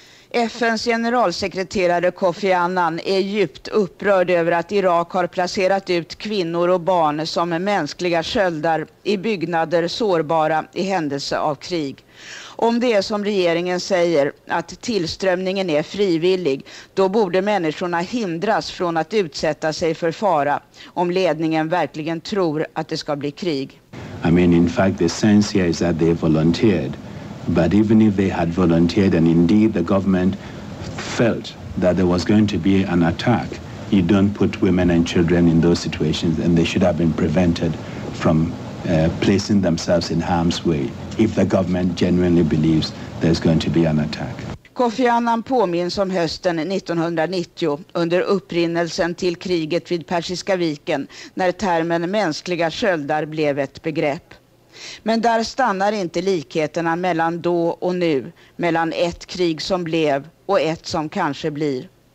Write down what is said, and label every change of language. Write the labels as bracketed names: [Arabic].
[Swedish] FNs generalsekreterare Kofi Annan är djupt upprörd över att Irak har placerat ut kvinnor och barn som mänskliga sköldar i byggnader sårbara i händelse av krig. Om det är som regeringen säger att tillströmningen är frivillig, då borde människorna hindras från att utsätta sig för fara om ledningen verkligen tror att det ska bli krig. [English] I mean, in fact, the sense here is that they volunteered. But even if they had volunteered, and indeed the government felt that there was going to be an attack, you don't put women and children in those situations, and they should have been prevented from placing themselves in harm's way if the government genuinely believes there's going to be an attack. [Swedish] Kofi Annan påminns om hösten 1990 under upprinnelsen till kriget vid Persiska viken, när termen mänskliga sköldar blev ett begrepp. Men där stannar inte likheterna mellan då och nu, mellan ett krig som blev och ett som kanske blir.